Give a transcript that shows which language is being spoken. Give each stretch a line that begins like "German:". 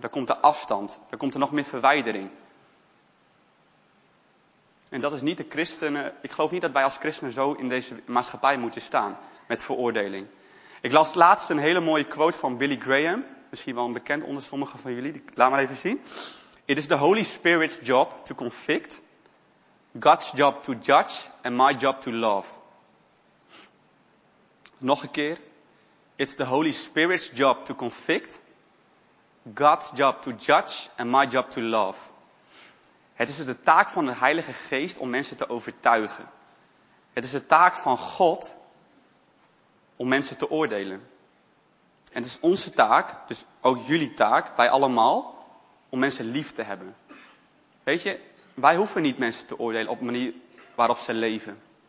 Dutch: Dan komt er afstand, dan komt er nog meer verwijdering. En dat is niet de christenen. Ik geloof niet dat wij als christenen zo in deze maatschappij moeten staan met veroordeling. Ik las laatst een hele mooie quote van Billy Graham. Misschien wel een bekend onder sommigen van jullie. Laat maar even zien.
English: It is the Holy Spirit's job to convict, God's job to judge and my job to love.
Dutch: Nog een keer.
English: It's the Holy Spirit's job to convict, God's job to judge and my job to love.
Dutch: Het is dus de taak van de Heilige Geest om mensen te overtuigen. Het is de taak van God om mensen te oordelen. En het is onze taak, dus ook jullie taak, wij allemaal, om mensen lief te hebben. Weet je, wij hoeven niet mensen te oordelen op de manier waarop ze leven.